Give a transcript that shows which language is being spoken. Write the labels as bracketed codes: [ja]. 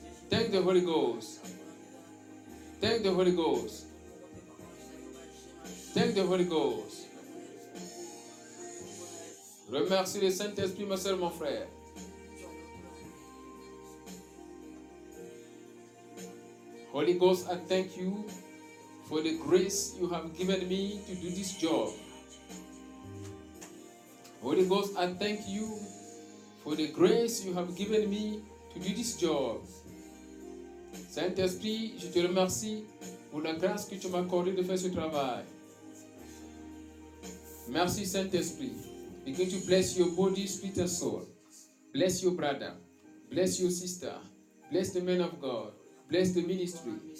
[en] Thank the Holy Ghost. Thank the Holy Ghost. Thank the Holy Ghost. [fr] Remercie le Saint-Esprit, ma soeur, mon frère. [en] Holy Ghost, I thank you for the grace you have given me to do this job. Holy Ghost, I thank you for the grace you have given me to do this job. [fr] Saint-Esprit, je te remercie pour la grâce que tu m'as accordée de faire ce travail. Merci, Saint-Esprit. [en] Begin to bless your body, spirit and soul. Bless your brother. Bless your sister. Bless the man of God. Bless the ministry.